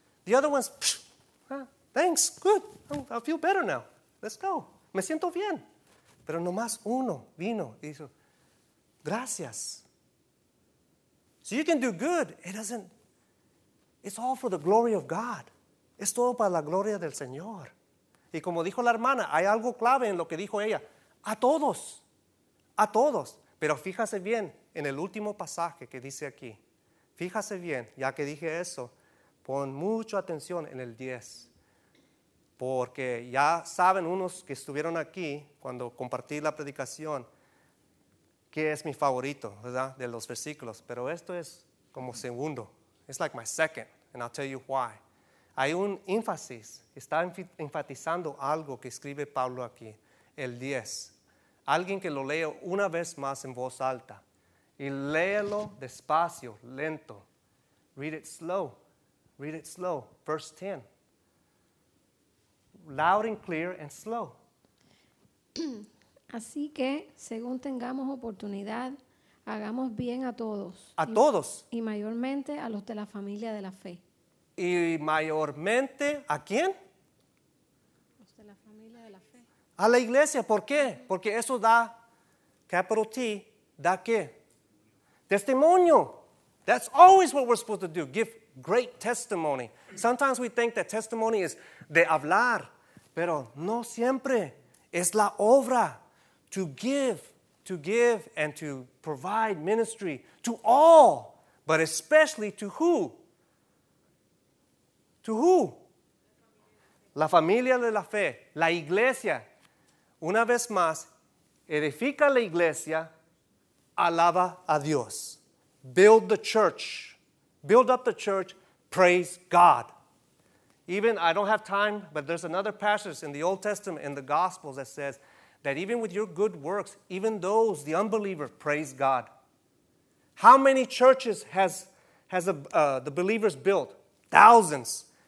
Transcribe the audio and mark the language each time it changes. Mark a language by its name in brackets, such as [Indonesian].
[English] The other ones, thanks, good, I feel better now, let's go. [Spanish] Me siento bien. Pero nomás uno vino y dijo, gracias. [English] So you can do good. It's all for the glory of God. [Spanish] Es todo para la gloria del Señor. Y como dijo la hermana, hay algo clave en lo que dijo ella. A todos. A todos. Pero fíjase bien en el último pasaje que dice aquí. Fíjase bien, ya que dije eso, pon mucha atención en el 10. Porque ya saben unos que estuvieron aquí cuando compartí la predicación que es mi favorito, ¿verdad? De los versículos, pero esto es como segundo. [English] It's like my second, and I'll tell you why. [Spanish] Hay un énfasis, está enfatizando algo que escribe Pablo aquí, el 10. Alguien que lo lea una vez más en voz alta y léelo despacio, lento. [English] Read it slow. Read it slow. Verse 10. Loud and clear and slow. [Spanish] Así que, según tengamos oportunidad, hagamos bien a todos. A todos. Y mayormente a los de la familia de la fe. ¿Y mayormente a quién? Los de la familia de la fe. A la iglesia, ¿por qué? Porque eso da, capital T, ¿da qué? Testimonio. [English] That's always what we're supposed to do, give great testimony. Sometimes we think that testimony is [Spanish] de hablar, pero no siempre. Es la obra, [English] to give and to provide ministry to all, but especially to who? To who? [Spanish] La familia de la fe, la iglesia. Una vez más, edifica la iglesia, alaba a Dios. [English] Build the church. Build up the church. Praise God. Even, I don't have time, but there's another passage in the Old Testament, in the Gospels, that says that even with your good works, even those, the unbeliever, praise God. How many churches has the believers built? Thousands.